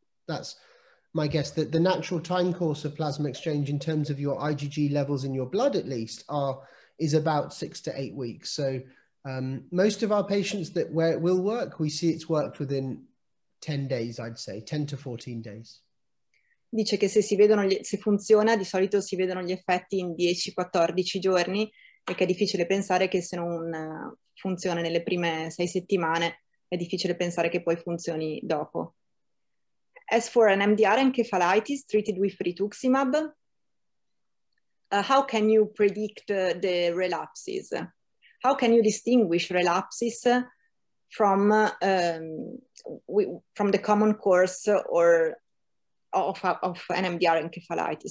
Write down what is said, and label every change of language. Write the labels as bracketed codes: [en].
[en] That's my guess. That the natural time course of plasma exchange in terms of your IgG levels in your blood, at least, is about 6 to 8 weeks. So most of our patients that where it will work, we see it's worked within 10 days, I'd say, 10 to 14 days. [it] Dice che se funziona, di solito si vedono gli effetti in 10-14 giorni e che è difficile pensare che se non funziona nelle prime 6 settimane, è difficile pensare che poi funzioni dopo. [en] As for an MDR encephalitis treated with rituximab, how can you predict the relapses? How can you distinguish relapses from the common course or of an MDR encephalitis?